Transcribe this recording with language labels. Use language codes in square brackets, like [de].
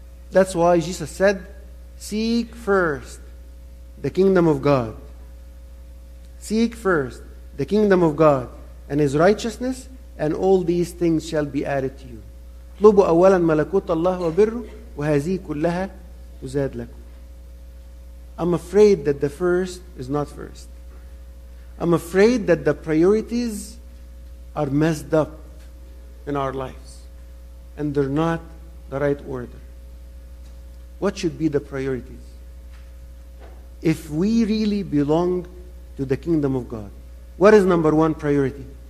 [en] That's why Jesus said, seek first the kingdom of God. Seek first the kingdom of God and His righteousness, and all these things shall be added to you. [ar] اطلبوا أولا ملكوت الله وبره وهذه كلها تزاد لكم. [en] I'm afraid that the first is not first. I'm afraid that the priorities are messed up in our lives and they're not the right order. What should be the priorities? If we really belong to the kingdom of God, what is number one priority?